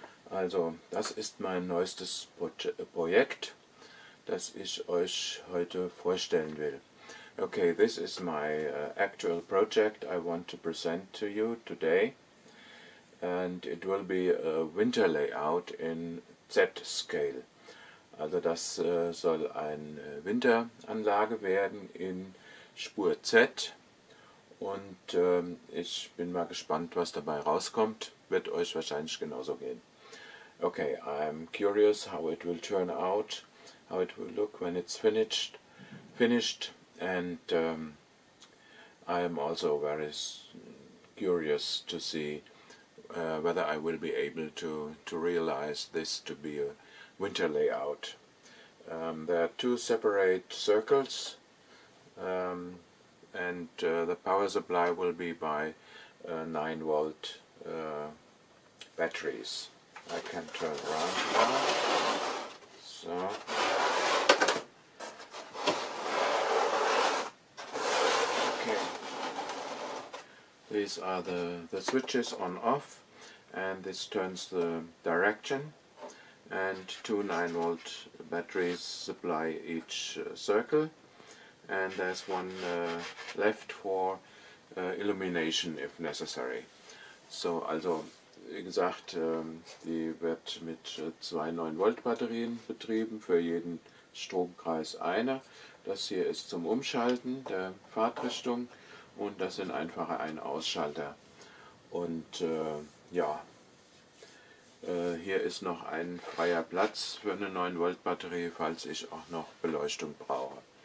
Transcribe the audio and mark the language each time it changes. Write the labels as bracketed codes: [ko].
[de] Also, das ist mein neuestes Projekt, das ich euch heute vorstellen will. [en] Okay, this is my actual project I want to present to you today. And it will be a winter layout in Z-Scale. [de] Also das soll eine Winteranlage werden in Spur Z. Und ich bin mal gespannt, was dabei rauskommt. Wird euch wahrscheinlich genauso gehen. [en] Okay, I'm curious how it will turn out, how it will look when it's finished. And I am also very curious to see whether I will be able to realize this to be a winter layout. There are two separate circles, and the power supply will be by 9-volt batteries. I can turn around now. So. Okay. These are the switches on off, and this turns the direction. And two 9-volt batteries supply each circle, and there's one left for illumination if necessary. [de] So, also, wie gesagt, die wird mit zwei 9-Volt Batterien betrieben, für jeden Stromkreis eine. Das hier ist zum Umschalten der Fahrtrichtung und das sind einfach ein Ausschalter. Und ja, hier ist noch ein freier Platz für eine 9-Volt Batterie, falls ich auch noch Beleuchtung brauche.